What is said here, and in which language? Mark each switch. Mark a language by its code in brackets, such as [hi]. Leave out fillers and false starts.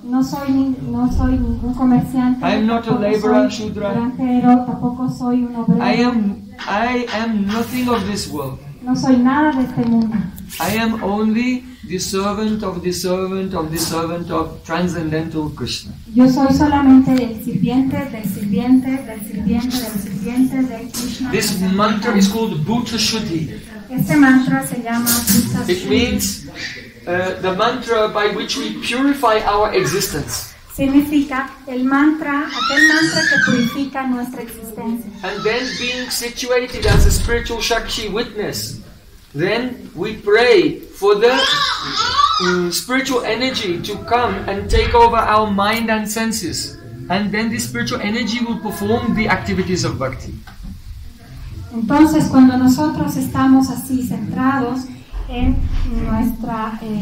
[es] No soy ningún comerciante. [en] I am not a laborer, shudra. [es] Tampoco soy un obrero. [en] I am nothing of this world. [es] No soy nada de este mundo. [en] I am only the servant of the servant of the servant of transcendental Krishna. [es] Yo soy solamente el sirviente del sirviente del sirviente del sirviente de Krishna. [en] This mantra is called Bhuta Shuddhi. [es] Este mantra se llama Bhuta Shuddhi. [en] It means the mantra by which we purify our existence. [es] Significa el mantra, aquel mantra que purifica nuestra existencia. [en] And then being situated as a spiritual Shakshi witness, then we pray for the spiritual energy to come and take over our mind and senses. And then the spiritual energy will perform the activities of bhakti. [es] Entonces, cuando nosotros estamos así centrados en nuestra